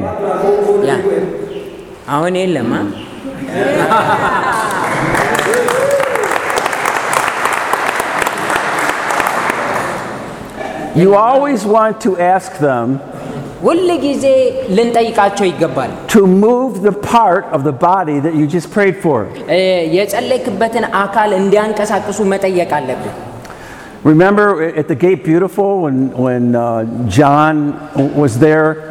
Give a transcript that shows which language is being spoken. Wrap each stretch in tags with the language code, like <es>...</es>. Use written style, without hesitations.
<en>Yeah. Aun illama. You always want to ask them</en> <am>ወልጊዘ ለንጠይቃቸው ይገባል</am> <en>to move the part of the body that you just prayed for.</en> <am>የጸለይክበትን አካል እንዲያንቀሳቅሱ መጠየቅ አለብን.</am> <en>Remember at the gate beautiful when John was there?</en>